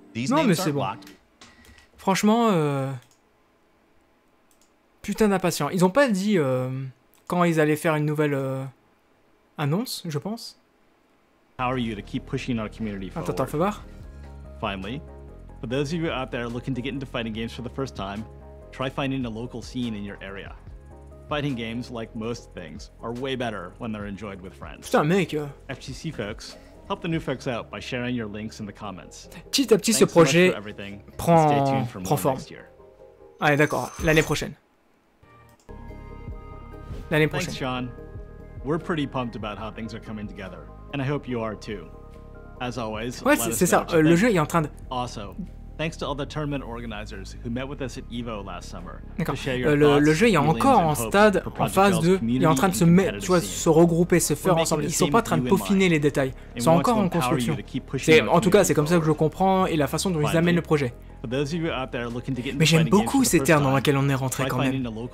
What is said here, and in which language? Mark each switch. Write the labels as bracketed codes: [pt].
[fr] Non, mais c'est bon. Franchement, putain d'impatient. Ils ont pas dit quand ils allaient faire une nouvelle... annonce, je pense. [en] How are you to keep pushing our community forward? [fr] Attends, fais voir. [en] Finally, for those of you out there looking to get into fighting games for the first time, try finding a local scene in your area. Fighting games, like most things, are way better when they're enjoyed with friends. [fr] Putain, mec. [en] FTC folks, help the new folks out by sharing your links in the comments. [fr] Petit à petit, ce projet prend forme. Allez, d'accord, l'année prochaine. L'année prochaine. [en] Thanks, Sean. We're pretty pumped about how things are coming together, and I hope you are too. As always, [fr] ouais, c'est ça. Le jeu est en train de. [en] Also, thanks to all the tournament organizers who met with us at Evo last summer. [fr] D'accord. Le jeu est encore en stade, en phase 2. Il est en train de se mettre, tu vois, se regrouper, se faire ensemble. Ils sont pas en train de peaufiner les détails. Ils sont encore en construction. En tout cas, c'est comme ça que je comprends et la façon dont ils amènent le projet. Mais j'aime beaucoup ces termes dans lesquels on est rentré quand même.